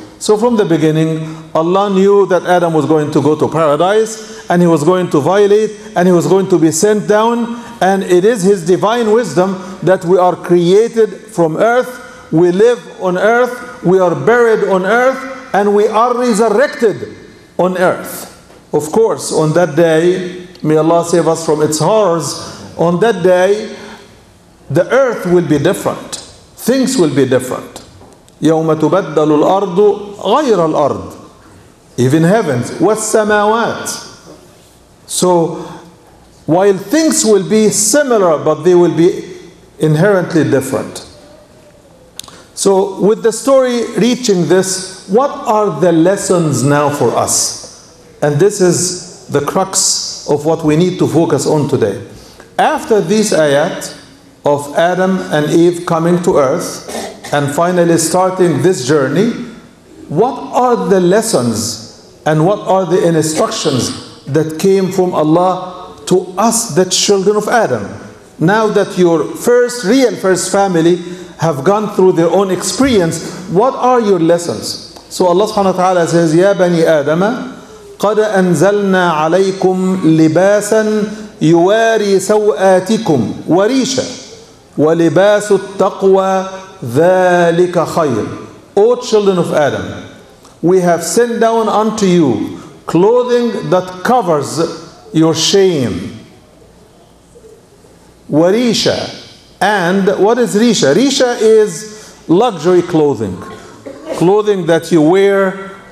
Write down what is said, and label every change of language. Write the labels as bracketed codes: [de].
[en] So from the beginning, Allah knew that Adam was going to go to paradise, and he was going to violate, and he was going to be sent down, and it is his divine wisdom that we are created from earth, we live on earth, we are buried on earth, and we are resurrected on earth. Of course, on that day, may Allah save us from its horrors, on that day, the earth will be different. Things will be different. [ar] يَوْمَ تُبَدَّلُ الْأَرْضُ غَيْرَ الْأَرْضِ, [en] even heavens, [ar] وَالسَّمَاوَاتِ. [en] So, while things will be similar, but they will be inherently different. So, with the story reaching this, what are the lessons now for us? And this is the crux of what we need to focus on today. After these ayat of Adam and Eve coming to earth and finally starting this journey, what are the lessons and what are the instructions that came from Allah to us, the children of Adam? Now that your first, real first family have gone through their own experience, what are your lessons? So Allah subhanahu wa ta'ala says, Ya Bani Adam, [ar] قَدْ أَنزَلْنَا عَلَيْكُمْ لِبَاسًا يُوَارِي سَوْآتِكُمْ وَرِيشًا وَلِبَاسُ التَّقْوَى ذَلِكَ خَيْرٌ. [en] O children of Adam, we have sent down unto you clothing that covers your shame. [ar] وَرِيشًا, [en] and what is Risha? Risha is luxury clothing. Clothing that you wear